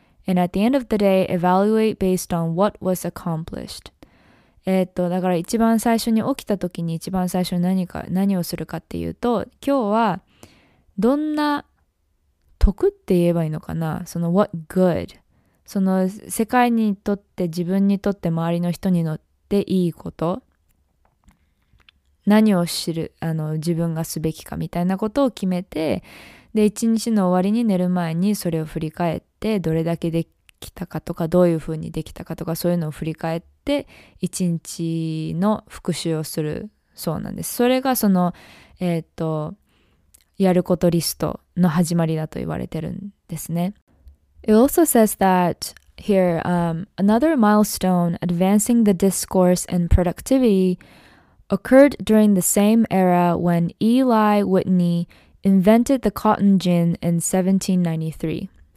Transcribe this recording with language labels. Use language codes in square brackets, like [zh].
[en] And at the end of the day, evaluate based on what was accomplished. [ja] だから一番最初に起きた時に一番最初に何をするかっていうと、今日はどんな得って言えばいいのかな、その [en] what good、 [ja] その世界にとって自分にとって周りの人にとっていいこと、何を知る自分がすべきかみたいなことを決めて、で、一日の終わりに寝る前にそれを振り返って、どれだけできたかとか、どういうふうにできたかとか、そういうのを振り返って、一日の復習をするそうなんです。それがその、やることリストの始まりだと言われてるんですね。 [en] It also says that here, another milestone advancing the discourse and productivity occurred during the same era when Eli Whitney,invented the cotton gin in 1793.